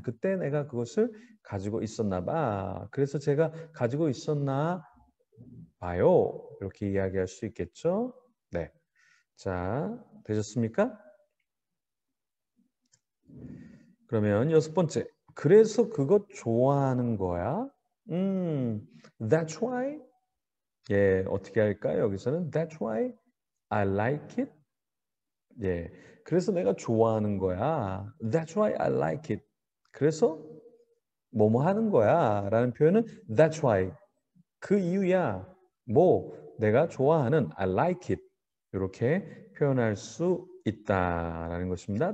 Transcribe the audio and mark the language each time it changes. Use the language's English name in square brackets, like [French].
[Korean] 그때 내가 그것을 가지고 있었나 봐. 그래서 제가 가지고 있었나 봐요. 이렇게 이야기할 수 있겠죠? 네. 자, 되셨습니까? 그러면 여섯 번째. 그래서 그거 좋아하는 거야? That's why? 예, 어떻게 할까요? 여기서는 [English] That's why I like it? [Korean] 예, 그래서 내가 좋아하는 거야. [English] That's why I like it. [Korean] 그래서 뭐뭐 하는 거야? 라는 표현은 That's why. 그 이유야. 뭐, 내가 좋아하는 I like it. 이렇게 표현할 수 있다라는 것입니다.